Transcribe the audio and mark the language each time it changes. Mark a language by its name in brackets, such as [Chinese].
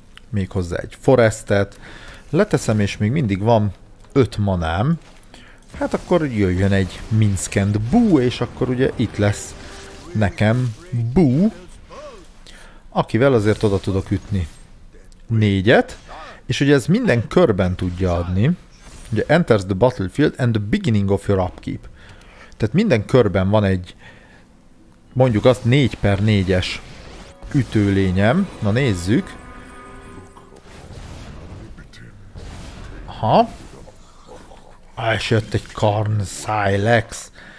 [Hungarian] Méghozzá egy forestet. Leteszem, és még mindig van 5 manám. Hát akkor jöjjön egy Minskend Boo, és akkor ugye itt lesz nekem Boo. Akivel azért oda tudok ütni 4-et. És ugye ez minden körben tudja adni. [English] Ugye enters the battlefield and the beginning of your upkeep. [Hungarian] Tehát minden körben van egy, mondjuk azt, 4x4-es ütőlényem. Na nézzük. Aha. Esett egy Karn Szájlex.